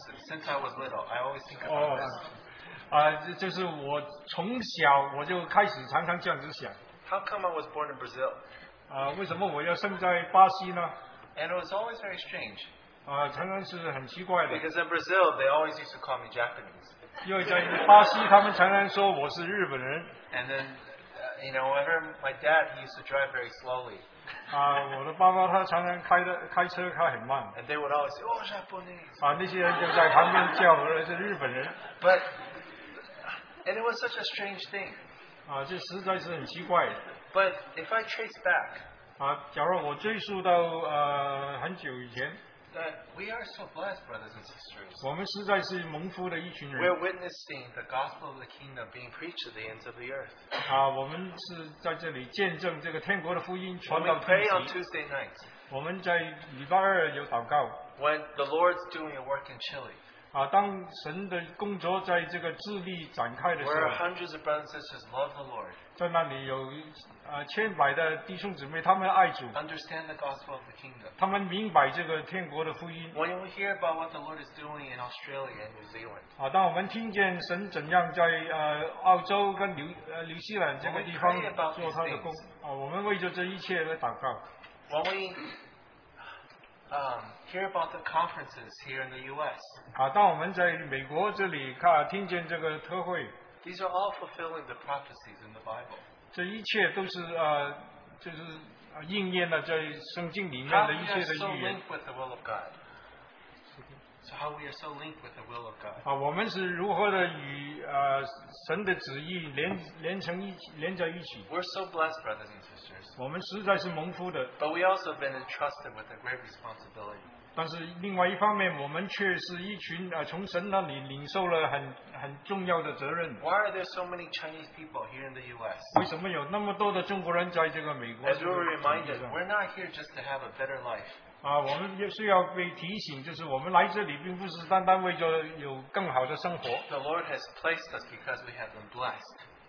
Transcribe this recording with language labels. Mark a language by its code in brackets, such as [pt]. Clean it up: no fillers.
[en] Since I was little, I always think about this. [zh] 就是我从小我就开始常常这样子想。 [en] How come I was born in Brazil? [zh] 为什么我要生在巴西呢? [en] And it was always very strange. [zh] 常常是很奇怪的。 [en] Because in Brazil, they always used to call me Japanese. [zh] 因为在巴西他们常常说我是日本人。 [en] And then, you know, whenever my dad, he used to drive very slowly. [zh] 我的爸爸他常常开车开很慢。 [en] And they would always say, oh, Japanese. [zh] 那些人就在旁边叫我是日本人。 [en] But, and it was such a strange thing. [zh] 这实在是很奇怪的。 [en] But if I trace back, [zh] 假如我追溯到, 很久以前, [en] that we are so blessed, brothers and sisters. [zh] 我们实在是蒙福的一群人。 [en] We're witnessing the gospel of the kingdom being preached to the ends of the earth. [zh] 我们是在这里见证这个天国的福音传到地极。 [en] When we pray on Tuesday nights, [zh] 我们在礼拜二有祷告。 [en] When the Lord's doing a work in Chile, [zh] 当神的工作在这个智利展开的时候 [en] ，Where hundreds of brothers and sisters love the Lord， [zh] 在那里有千百的弟兄姊妹，他们爱主 [en] ，Understand the gospel of the kingdom， [zh] 他们明白这个天国的福音。 [en] When you hear about what the Lord is doing in Australia and New Zealand， [zh] 当我们听见神怎样在澳洲跟纽西兰这个地方做他的工，我们为着这一切来祷告。 [en] When we hear about the conferences here in the U.S. [zh] 当我们在美国这里听见这个特会 [en] ，These are all fulfilling the prophecies in the Bible. [zh] 这一切都是就是应验了在圣经里面的一切的预言。 [en] How we are so linked with the will of God. So how we are so linked with the will of God. [zh] 我们是如何的与神的旨意连在一起 [en] ？We're so blessed, brothers and sisters. [zh] 我们实在是蒙福的。 [en] But we also been entrusted with a great responsibility. [zh] 但是另外一方面，我们却是一群从神那里领受了很重要的责任。 [en] Why are there so many Chinese people here in the U.S.? [zh] 为什么有那么多的中国人在这个美国 [en] ？As we're reminded, we're not here just to have a better life. [zh] 我们也是要被提醒，就是我们来这里并不是单单为着有更好的生活。 [en] The Lord has placed us because we have been blessed.